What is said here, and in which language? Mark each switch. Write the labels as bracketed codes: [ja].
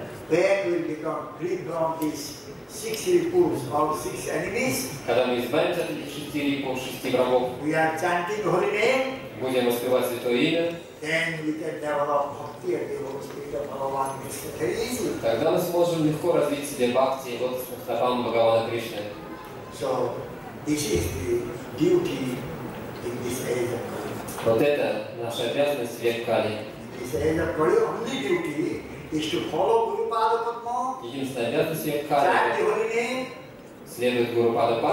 [en] Then we become free from these six-year rules, all six enemies. [ru] Когда мы избавимся от этих шести рипов, шести врагов. [en] We are chanting Holy Name. [ru] Будем воспевать Святое Имя. [en] Then we can develop bhakti and devotion to Bhagavan Krishna very easily. [ru] Тогда мы сможем легко развить себе бхакти и лотосным стопам Бхагавана Кришны. [en] So this is the duty in this age of Kali. [ru] Вот это наша обязанность век Кали. [en] This age of Kali only duty is to follow Guru Pada Padma. [ru] Единственная обязанность век Кали. [en] Chant the Holy Name. [ru] Следует Гуру Пада Падме.